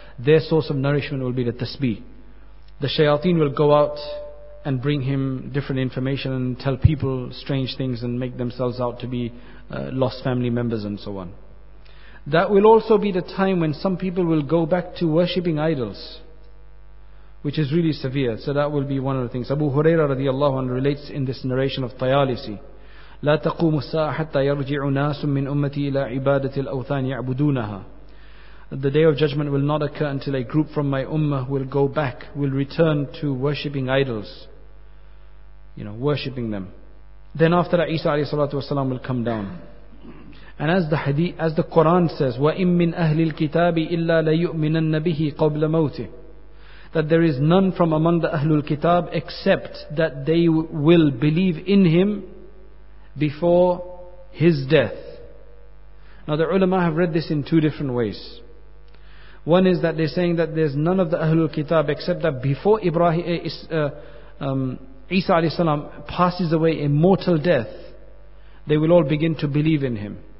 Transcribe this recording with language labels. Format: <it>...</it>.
<en>Their source of nourishment will be the tasbih. The shayateen will go out and bring him different information and tell people strange things and make themselves out to be lost family members and so on. That will also be the time when some people will go back to worshipping idols, which is really severe. So that will be one of the things. Abu Huraira radiallahu anhu relates in this narration of Tayalisi,</en> <ar>لا تقوم الساعة حتى يرجع ناس من أمتي إلى عبادة الأوثان يعبدونها.</ar> <en>The day of judgment will not occur until a group from my ummah will go back, will return to worshipping idols. You know, worshipping them. Then after that, Isa alayhi salatu wasalam will come down. And as the Quran says,</en> <ar>وَإِن مِّنْ أَهْلِ الْكِتَابِ إِلَّا لَيُؤْمِنَنَّ بِهِ قَبْلَ مَوْتِهِ.</ar> <en>That there is none from among the Ahlul Kitab except that they will believe in him before his death. Now the ulama have read this in two different ways. One is that they're saying that there's none of the Ahlul Kitab except that before Isa alayhi salam passes away a mortal death, they will all begin to believe in him.</en>